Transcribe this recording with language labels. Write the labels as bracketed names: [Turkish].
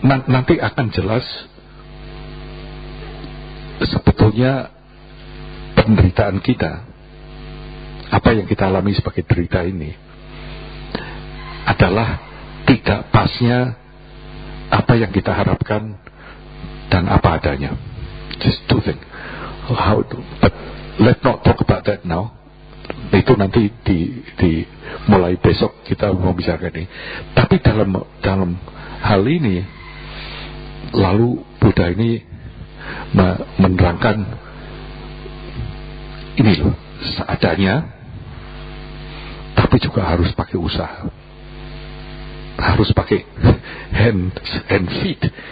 [Indonesian] Nanti akan jelas sebetulnya penderitaan kita, apa yang kita alami sebagai derita ini adalah tidak pasnya apa yang kita harapkan dan apa adanya. [English] Just two things. How to, but let's not talk about that now. [Indonesian] Itu nanti di mulai besok kita mau bicara ini. Tapi dalam hal ini, lalu Buddha ini menerangkan ini loh, seadanya, tapi juga harus pakai usaha, harus pakai [English] hands and feet.